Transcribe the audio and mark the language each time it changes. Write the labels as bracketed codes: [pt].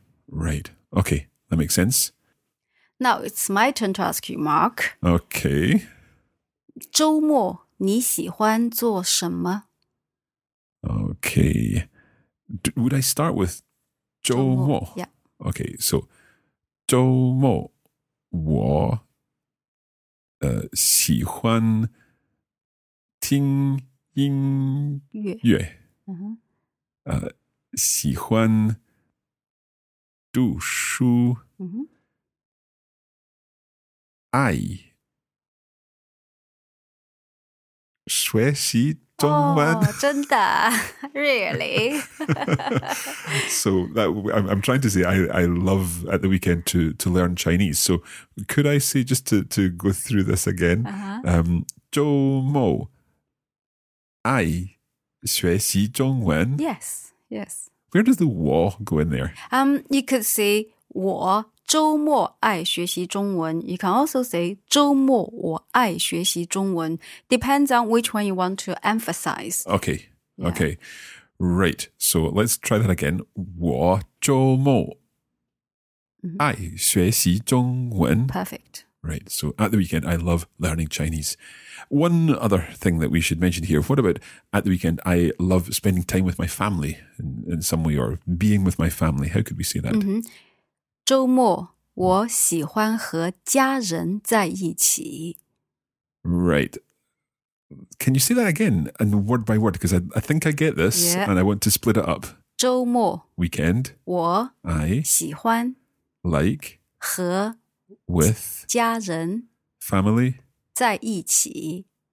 [en] right, okay, that makes sense. Now it's my turn to ask you, Mark. Okay. [zh] 周末你喜欢做什么? [en] Okay. Would I start with 周末, yeah. Okay, so [zh] 周末我喜欢听音乐, mm-hmm. 喜欢读书, mm-hmm. 爱学习中文。 [en] Oh, [zh] 真的? [en] Really? So that, I'm trying to say I love at the weekend to learn Chinese. So could I say, just to go through this again, [zh] 周末爱学习中文? [en] Yes, yes. Where does the 我 go in there? You could say [zh] 我周末爱学习中文. [en] You can also say [zh] 周末我爱学习中文. [en] Depends on which one you want to emphasize. Okay, okay. Right, so let's try that again. [zh] 我周末爱学习中文. [en] Perfect. Right, so at the weekend, I love learning Chinese. One other thing that we should mention here, what about at the weekend, I love spending time with my family in some way, or being with my family. How could we say that? Mm-hmm. [zh] 周末我喜欢和家人在一起。 [en] Right. Can you say that again and word by word? Because I think I get this, yeah. And I want to split it up. [zh] 周末 [en] weekend [zh] 我 [en] I [zh] 喜欢 [en] like [zh] 和 [en] with [zh] 家人 [en] family [zh] 在一起